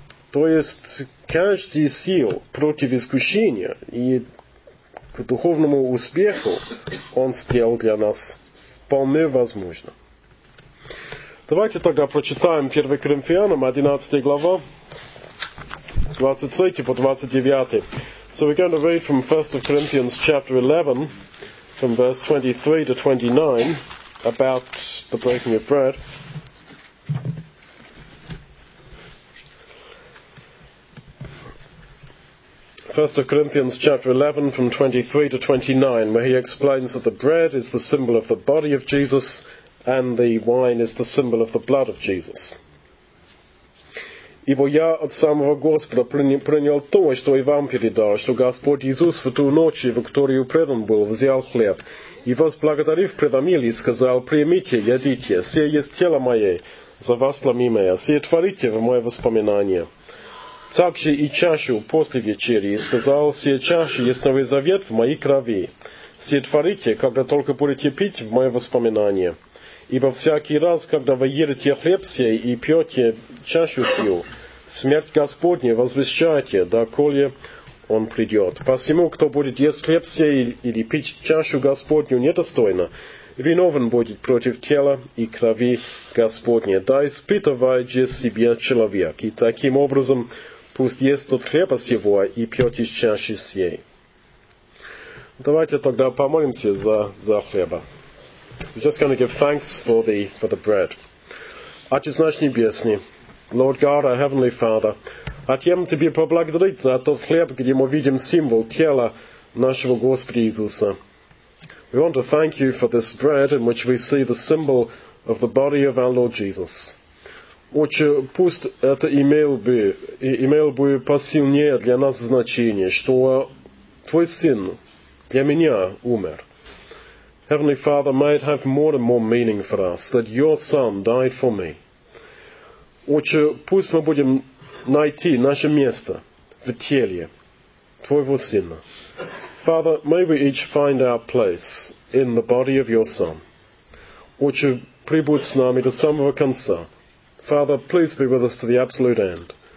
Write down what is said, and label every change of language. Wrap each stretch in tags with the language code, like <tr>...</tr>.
<ru>То есть, каждый сил против искушения и к духовному успеху он сделал для нас вполне возможно. Давайте тогда прочитаем 1 Коринфянам 11 глава, 23 по 29.</ru> <en>So we're going to read from 1 Corinthians chapter 11, from verse 23 to 29, about the breaking of bread. First of Corinthians chapter 11, from 23 to 29, where he explains that the bread is the symbol of the body of Jesus, and the wine is the symbol of the blood of Jesus.</en> <ru>Ибо я от самого Господа принял то, что и вам передал, что Господь Иисус в ту ночь, в которую предан был, взял хлеб, и возблагодарив, предомил и сказал, «Примите, едите, сие есть тело мое, за вас ломимое, сие творите в мое воспоминание». Так же и чашу после вечери, и сказал, «Сие чаши есть новый завет в моей крови, сие творите, когда только будете пить в мое воспоминание». Ибо всякий раз, когда вы едете хлеб сей и пьете чашу сию, смерть Господня возвещайте, доколе он придет. Посему, кто будет есть хлеб сей или пить чашу Господню недостойно, виновен будет против тела и крови Господня. Да испытывает же себя человек, и таким образом пусть ест от хлеба сего и пьет из чаши сей. Давайте тогда помолимся за хлеба.</ru> <en>So just going to give thanks for the bread.</en> <ru>Отец наш небесный,</ru> <en>Lord God, our Heavenly Father,</en> <ru>хотим тебе поблагодарить за тот хлеб, где мы видим символ тела нашего Господа Иисуса.</ru> <en>We want to thank you for this bread in which we see the symbol of the body of our Lord Jesus.</en> <ru>Отче, пусть это имело бы посильнее для нас значение, что твой сын для меня умер.</ru> <en>Heavenly Father, may it have more and more meaning for us that your Son died for me.</en> <ru>Отче, пусть мы будем найти наше место в теле твоего Сына.</ru> <en>Father, may we each find our place in the body of your Son.</en> <ru>Отче, прибудь с нами до самого конца.</ru> <en>Father, please be with us to the absolute end.</en>